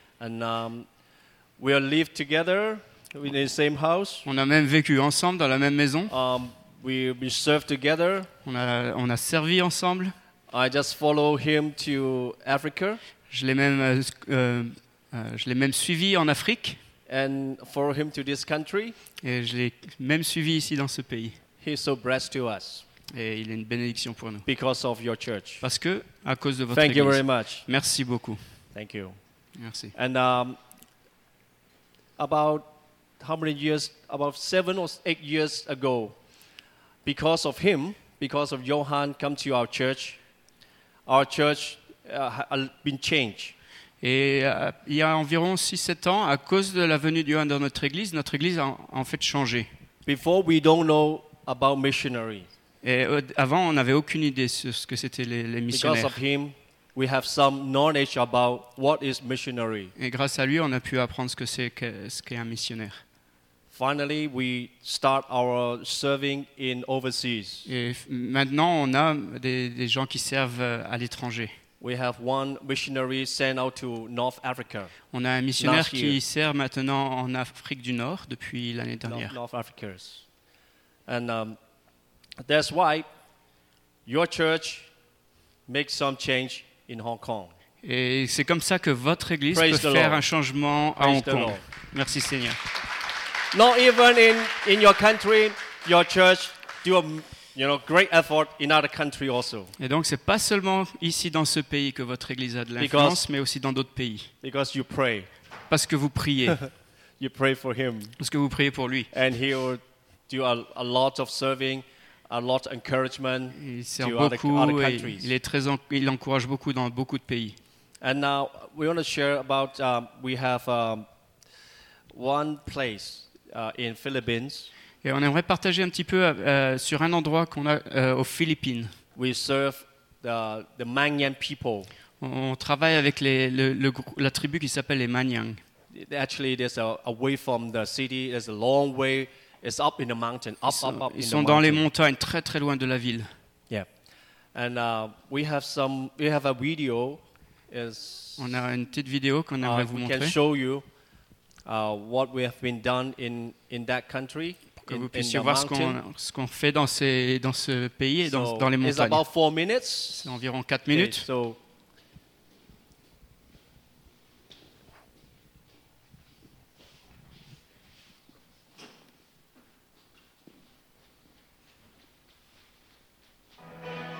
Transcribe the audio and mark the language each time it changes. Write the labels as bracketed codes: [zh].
[en] And we have lived together in the same house. [fr] On a même vécu ensemble dans la même maison. [en] We served together. [fr] On a servi ensemble. [en] I just follow him to Africa. [fr] Je l'ai même suivi en Afrique. [en] And for him to this country. [fr] Et je l'ai même suivi ici dans ce pays. [en] He's so blessed to us. [fr] Et il est une bénédiction pour nous. [en] Because of your church. [fr] Parce que à cause de votre [en] Thank [fr] église. [en] Thank you very much. [fr] Merci beaucoup. [en] Thank you. [fr] Merci. [en] And about how many years? About 7 or 8 years ago, because of him, because of Johan come to our church has been changed. [fr] Et il y a environ 6-7 ans, à cause de la venue de Johan dans notre église a en fait changé. [en] Before we don't know about missionary. [fr] Et avant, on n'avait aucune idée sur ce que c'était les missionnaires. [en] Because of him, we have some knowledge about what is missionary. [fr] Et grâce à lui, on a pu apprendre ce qu'est un missionnaire. [en] Finally, we start our serving in overseas. [fr] Et maintenant, on a des gens qui servent à l'étranger. [en] We have one missionary sent out to North Africa. [fr] On a un missionnaire qui sert maintenant en Afrique du Nord depuis l'année dernière. [en] North Africa. And that's why your church makes some change in Hong Kong. [fr] Et c'est comme ça que votre église [en] Praise [fr] peut faire un changement [en] Praise [fr] à Hong Kong. Merci Seigneur. [en] Not even in your country, your church do a You know, great effort in other country also. [fr] Et donc, c'est pas seulement ici dans ce pays que votre église a de l'influence, [en] because, [fr] mais aussi dans d'autres pays. [en] Because you pray. [fr] Parce que vous priez. [en] You pray for him. [fr] Parce que vous priez pour lui. [en] And he will do a lot of serving, a lot of encouragement [fr] il sert to beaucoup, [en] other countries. [fr] Il est très il encourage beaucoup dans beaucoup de pays. [en] And now we want to share about we have one place in Philippines. [fr] Et on aimerait partager un petit peu sur un endroit qu'on a aux Philippines. [en] We serve the Mangyan people. [fr] On travaille avec la tribu qui s'appelle les Mangyang. [en] Actually, there's a way from the city. There's a long way. It's up in the mountain. [fr] Ils sont dans les montagnes, très très loin de la ville. [en] Yeah, and we have a video. [fr] On a une petite vidéo qu'on aimerait vous montrer. [en] We can show you what we have been done in that country. [fr] Que vous puissiez voir ce qu'on fait dans ce pays et dans les montagnes. [en] It's about 4 minutes. [fr] C'est environ 4 minutes. [en] Okay, so. Thank you.